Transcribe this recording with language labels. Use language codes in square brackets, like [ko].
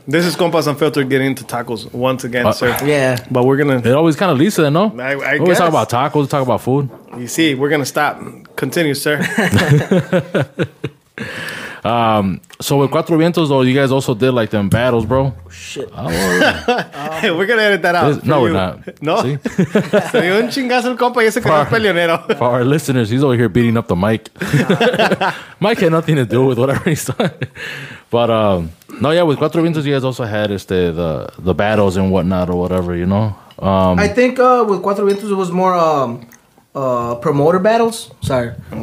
[en] This is Compas Unfiltered getting into tacos once again, sir. Yeah. But we're going to. It always kind of leads to that, no? I guess. We always talk about tacos, talk about food. You see, we're going to stop. Continue, sir. So with Cuatro Vientos, though, you guys also did like them battles, bro. Shit. Hey, we're going to edit that out. No, we're not. No. [es] Se dio un chingazo el compa y ese quedó peleonero. [en] For our listeners, he's over here beating up the mic. Mike had nothing to do with whatever he's done. But with Cuatro Vientos, you guys also had the battles and whatnot or whatever, you know? I think with Cuatro Vientos, it was more. Promoter battles. Sorry.